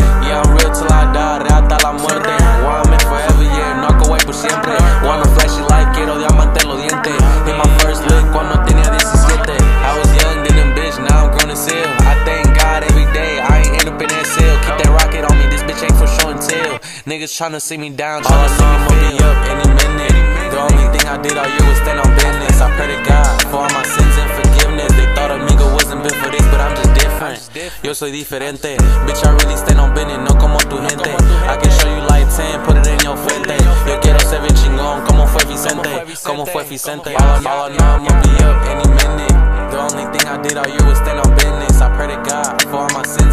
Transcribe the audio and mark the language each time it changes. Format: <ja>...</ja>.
<en>Yeah, I'm real till I die, real</en> <es>hasta la muerte.</es> <en>YMN forever, yeah, no go away</en> <es>por siempre.</es> <en>Wanna flash your life,</en> <es>quiero diamante los dientes.</es> <en>Hit my first lick</en> <es>cuando tenía 17.</es> <en>I was young, then them bitch, now I'm grown as hell. I thank God every day, I ain't end up in that cell. Keep that rocket on me, this bitch ain't for show and tell. Niggas tryna see me down, tryna see me fail. I'ma be up any minute. The only thing I did all year was stand on business. I pray to God for all my sins and forgiveness. They thought Amigo wasn't built for this, but I'm just different.</en> <es>Yo soy diferente,</es> <en>bitch, I really stand on business.</en> <es>No como tu gente,</es> <en>I can show you like 10, put it in your frente.</en> <es>Yo quiero ser bien chingón, como fue Vicente.</es> <en>All I know, I'ma be up any minute. The only thing I did all year was stand on business. I pray to God for all my sins.</en>